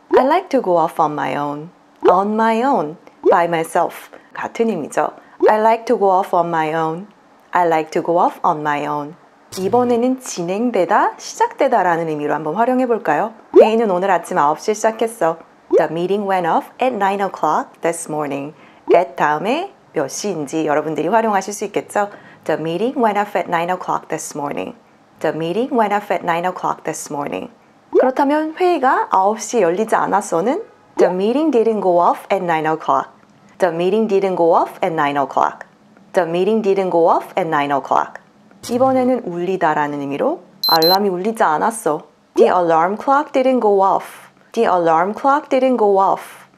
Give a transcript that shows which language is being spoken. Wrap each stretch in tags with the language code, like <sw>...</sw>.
<en>I like to go off on my own. On my own. By myself.</en> <ko>같은 의미죠.</ko> <en>I like to go off on my own. I like to go off on my own.</en> <ko>이번에는 진행되다, 시작되다 라는 의미로 한번 활용해 볼까요? 회의는 오늘 아침 9시에 시작했어.</ko> <en>The meeting went off at 9 o'clock this morning.</en> <ko>at 다음에 몇 시인지 여러분들이 활용하실 수 있겠죠?</ko> <en>The meeting went off at 9 o'clock this morning. The meeting went off at 9 o'clock this morning.</en> <ko>그렇다면 회의가 9시에 열리지 않았어는?</ko> <en>The meeting didn't go off at 9 o'clock. The meeting didn't go off at 9 o'clock. The meeting didn't go off at 9 o'clock.</en> <ko>이번에는 울리다 라는 의미로 알람이 울리지 않았어.</ko> <en>The alarm clock didn't go off. The alarm clock didn't go off.</en>